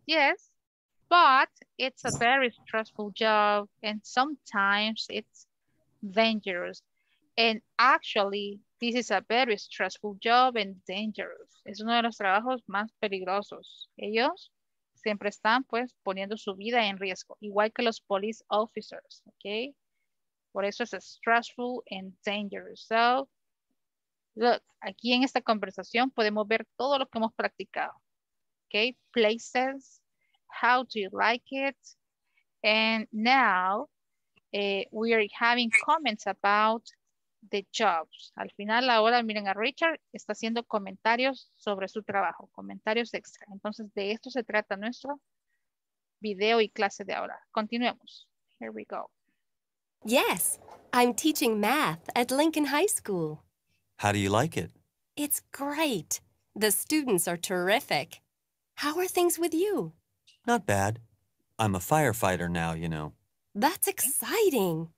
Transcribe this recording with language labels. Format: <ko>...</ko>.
<en>Yes, but it's a very stressful job and sometimes it's dangerous. And actually, this is a very stressful job and dangerous.</en> <es>Es uno de los trabajos más peligrosos. Ellos siempre están, pues, poniendo su vida en riesgo, igual que los police officers, okay? Por eso es</es> <en>stressful and dangerous. So, look,</en> <es>aquí en esta conversación podemos ver todo lo que hemos practicado, okay?</es> <en>Places, how do you like it? And now, we are having comments about the jobs.</en> <es>Al final, ahora miren a Richard, está haciendo comentarios sobre su trabajo, comentarios extra. Entonces, de esto se trata nuestro video y clase de ahora. Continuemos.</es> <en>Here we go. Yes, I'm teaching math at Lincoln High School. How do you like it? It's great. The students are terrific. How are things with you? Not bad. I'm a firefighter now, you know. That's exciting.</en>